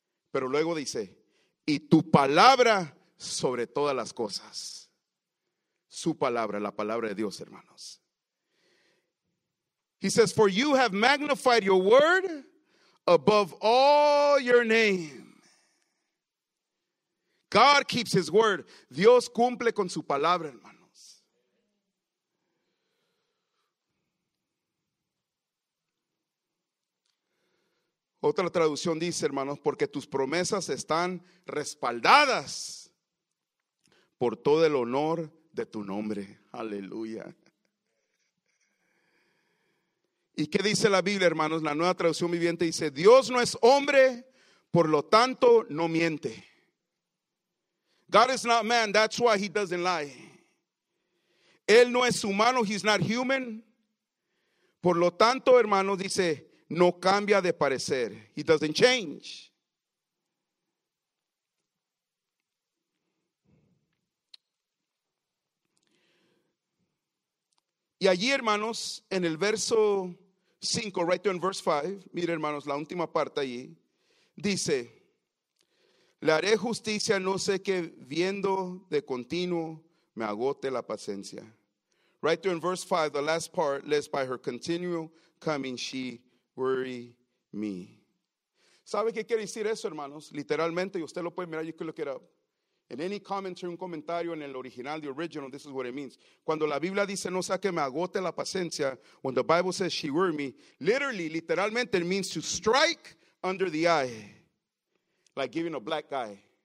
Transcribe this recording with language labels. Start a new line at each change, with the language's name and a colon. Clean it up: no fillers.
Spanish: Pero luego dice, y tu palabra sobre todas las cosas. Su palabra, la palabra de Dios, hermanos.
English: He says, for you have magnified your word above all your name. God keeps his word.
Spanish: Dios cumple con su palabra, hermanos. Otra traducción dice, hermanos, porque tus promesas están respaldadas por todo el honor de tu nombre. Aleluya. ¿Y qué dice la Biblia, hermanos? La Nueva Traducción Viviente dice, Dios no es hombre, por lo tanto, no miente.
English: God is not man, that's why he doesn't lie.
Spanish: Él no es humano,
English: he's not human.
Spanish: Por lo tanto, hermanos, dice, no cambia de parecer.
English: He doesn't change.
Spanish: Y allí, hermanos, en el verso 5,
English: right there in verse 5,
Spanish: mire hermanos, la última parte allí, dice, le haré justicia, no sé qué, viendo de continuo, me agote la paciencia.
English: Right there in verse 5, the last part, lest by her continual coming, she weary me.
Spanish: ¿Sabe qué quiere decir eso, hermanos? Literalmente, y usted lo puede mirar,
English: you can look it up. In any commentary,
Spanish: un comentario en el original,
English: the original, this is what it means.
Spanish: Cuando la Biblia dice, no sea que me agote la paciencia,
English: when the Bible says she weary me, literally, literalmente, it means to strike under the eye, like giving a black eye.